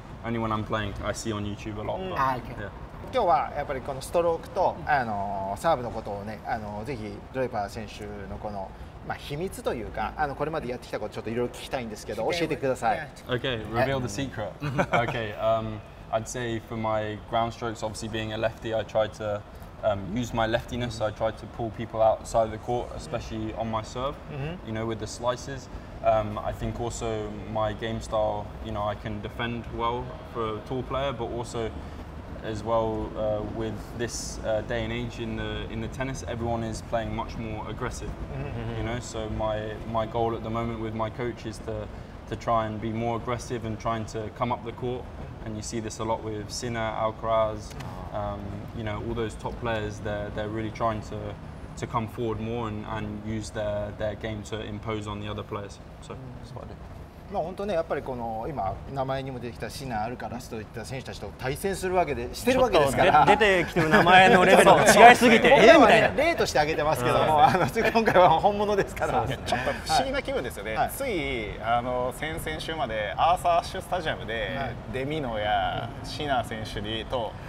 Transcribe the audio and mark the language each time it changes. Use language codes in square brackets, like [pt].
[en] Only when I'm playing, I see on YouTube a lot. But, ah, okay. Yeah. [ja] 今日はやっぱりこのストロークとサーブのことをね、ぜひドレーパー選手のこの、まあ、秘密というか、これまでやってきたことをちょっといろいろ聞きたいんですけど、教えてください。 [en] Okay, reveal the secret. Okay, I'd say for my ground strokes, obviously being a lefty, I try to use my leftiness. I try to pull people outside the court, especially on my serve. You know, with the slices. I think also my game style, you know, I can defend well for a tall player, but also as well with this day and age in the tennis, everyone is playing much more aggressive, you know, so my goal at the moment with my coach is to try and be more aggressive and trying to come up the court. And you see this a lot with Sinner, Alcaraz, you know, all those top players, they're really trying to come forward more and use their game to impose on the other players. So, [ja] そうで。まあ本当ね、やっぱりこの今名前にも出てきたシナ、アルカラスといった選手たちと対戦するわけでしてるわけですから。出てきてる名前のレベルが違いすぎて。今は、ね、例として挙げてますけども、今回は本物ですから。ちょっと不思議な気分ですよね。はい、つい先々週までアーサー・アッシュスタジアムで、はい、デミノやシナ選手にと。